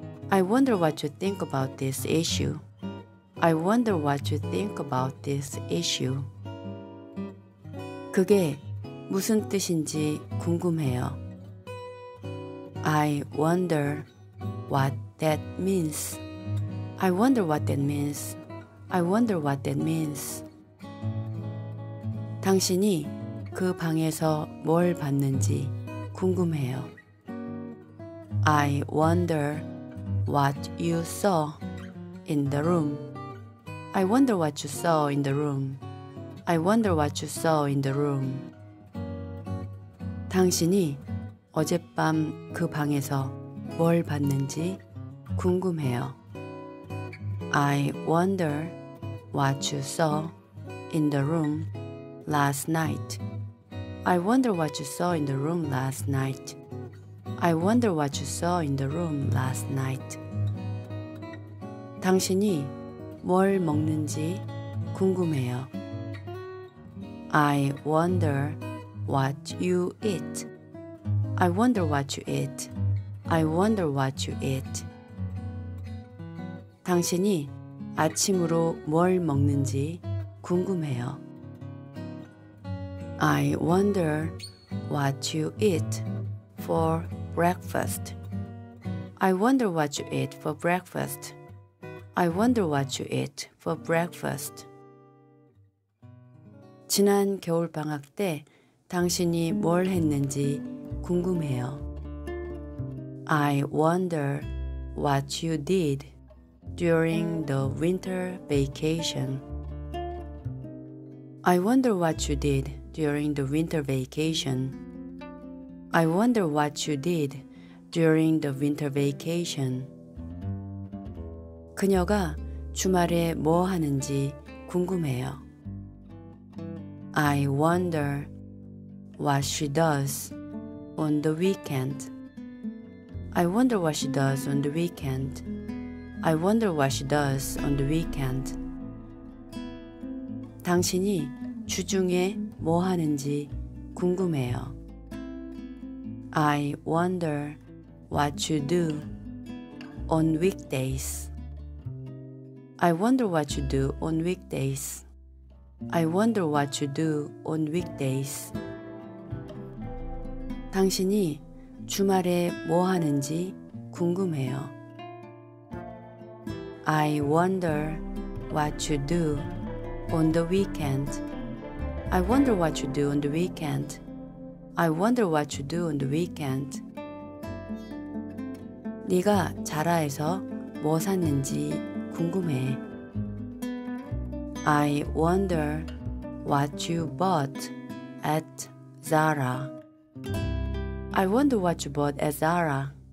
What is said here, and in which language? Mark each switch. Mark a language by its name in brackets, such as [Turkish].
[English] I wonder what you think about this issue. I wonder what you think about this issue. [Korean] 그게 무슨 뜻인지 궁금해요. [English] I wonder what that means. I wonder what that means. I wonder what that means. [Korean] 당신이 그 방에서 뭘 봤는지 궁금해요. [English] I wonder what you saw in the room. I wonder what you saw in the room. I wonder what you saw in the room. [Korean] 당신이 어젯밤 그 방에서 뭘 봤는지 궁금해요. [English] I wonder what you saw in the room last night. I wonder what you saw in the room last night. I wonder what you saw in the room last night. [Korean] 당신이 뭘 먹는지 궁금해요. [English] I wonder what you eat. I wonder what you eat. I wonder what you eat. [Korean] 당신이 아침으로 뭘 먹는지 궁금해요. [English] I wonder what you eat for breakfast. I wonder what you eat for breakfast. I wonder what you eat for breakfast. [Korean] 지난 겨울 방학 때 당신이 뭘 했는지 궁금해요. [English] I wonder what you did during the winter vacation. I wonder what you did during the winter vacation. I wonder what you did during the winter vacation. [Korean] 그녀가 주말에 뭐 하는지 궁금해요. [English] I wonder what she does on the weekend. I wonder what she does on the weekend. I wonder what she does on the weekend. [Korean] 당신이 주중에 뭐 하는지 궁금해요. [English] I wonder what you do on weekdays. I wonder what you do on weekdays. I wonder what you do on weekdays. [Korean] 당신이 주말에 뭐 하는지 궁금해요. [English] I wonder what you do on the weekend. I wonder what you do on the weekend. I wonder what you do on the weekend. [Korean] 네가 자라에서 뭐 샀는지 궁금해. [English] I wonder what you bought at Zara. I wonder what you bought at Zara.